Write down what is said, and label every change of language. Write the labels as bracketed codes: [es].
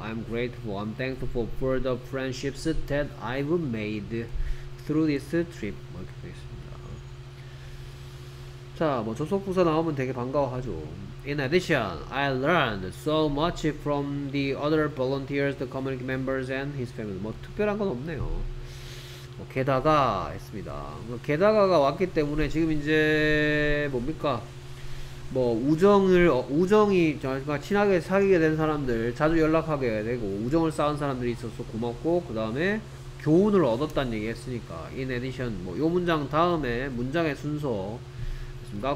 [en] I'm grateful, I'm thankful for the friendships that I've made through this trip. [ko] 뭐 이렇게 되겠습니다. 자, 뭐 접속 부사 나오면 되게 반가워하죠. [en] In addition, I learned so much from the other volunteers, the community members, and his family. [ko] 뭐 특별한 건 없네요. 뭐 게다가 했습니다. 게다가가 왔기 때문에 지금 이제 뭡니까? 뭐 우정을 우정이 그러니까 친하게 사귀게 된 사람들 자주 연락하게 되고 우정을 쌓은 사람들이 있어서 고맙고, 그 다음에 교훈을 얻었다는 얘기 했으니까 in addition 뭐 요 문장 다음에 문장의 순서 됐습니까?